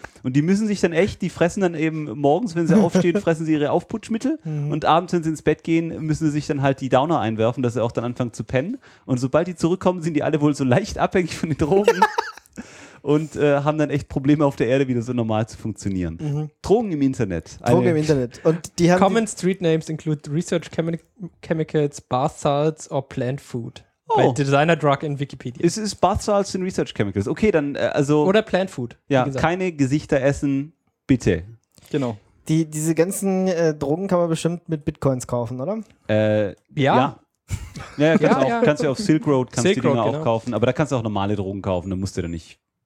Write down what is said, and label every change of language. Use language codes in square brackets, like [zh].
[de] Und die müssen sich dann echt, die fressen dann eben morgens, wenn sie aufstehen, fressen sie ihre Aufputschmittel. Mhm. Und abends, wenn sie ins Bett gehen, müssen sie sich dann halt die Downer einwerfen, dass sie auch dann anfangen zu pennen. Und sobald die zurückkommen, sind die alle wohl so leicht abhängig von den Drogen und haben dann echt Probleme auf der Erde, wieder so normal zu funktionieren. Mhm. Drogen im Internet. Und die haben [en] Common Street Names include Research Chemicals, Bath Salts or Plant Food. [de] Oh. Bei Designer Drug in Wikipedia. Es ist Bath Salts in Research Chemicals. Okay, dann also. Oder Plant Food. Ja, keine Gesichter essen, bitte. Genau. Diese ganzen Drogen kann man bestimmt mit Bitcoins kaufen, oder? Ja. Ja, kannst, ja, auch, ja. Kannst du auf Silk Road kannst Silk die Dinger Road, auch genau. kaufen. Aber da kannst du auch normale Drogen kaufen, dann musst du da nicht.